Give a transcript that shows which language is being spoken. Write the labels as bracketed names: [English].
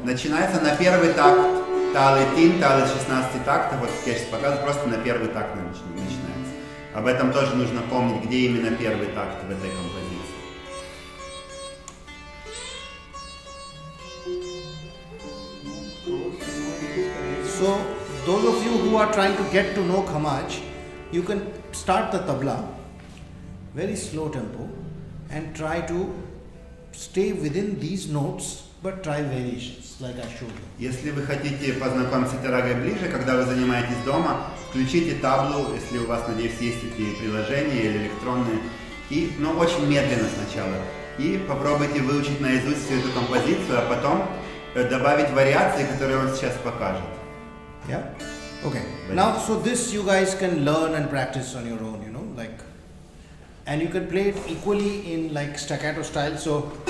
[Russian] Начинается на первый такт, тали тин, тали 16 такта. Вот я сейчас показываю, просто на первый такт начинается. Об этом тоже нужно помнить, где именно первый такт в этой композиции. [English] So, those of you who are trying to get to know Khammaj, you can start the tabla, very slow tempo, and try to stay within these notes, but try variations, like I showed you. [Russian] Если вы хотите познакомиться с этой рагой ближе, когда вы занимаетесь дома, включите таблу, если у вас, надеюсь, есть такие приложения или электронные, но очень медленно сначала, и попробуйте выучить наизусть всю эту композицию, а потом добавить вариации, которые он сейчас покажет. [English] Yeah? Okay. Now, so this you guys can learn and practice on your own, you know, like, and you can play it equally in like staccato style, so.